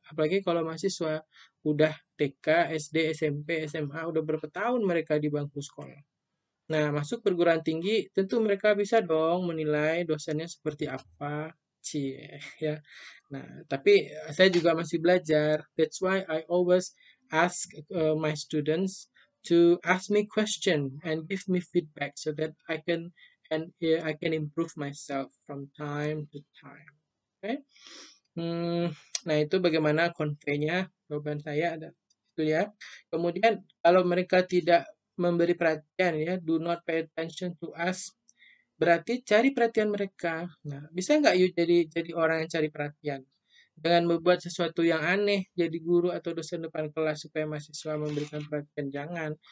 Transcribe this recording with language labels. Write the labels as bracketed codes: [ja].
[id] Apalagi kalau mahasiswa udah TK, SD, SMP, SMA, udah berapa tahun mereka di bangku sekolah. Nah, masuk perguruan tinggi, tentu mereka bisa dong menilai dosennya seperti apa. Cie, ya. Nah, tapi saya juga masih belajar. [en] That's why I always ask my students to ask me question and give me feedback so that I can and I can improve myself from time to time. Okay? [id] Nah itu bagaimana konvenya jawaban saya ada itu ya. Kemudian kalau mereka tidak memberi perhatian ya, [en] do not pay attention to us, [id] berarti cari perhatian mereka. Nah, bisa nggak you jadi orang yang cari perhatian dengan membuat sesuatu yang aneh jadi guru atau dosen depan kelas supaya mahasiswa memberikan perhatian? Jangan.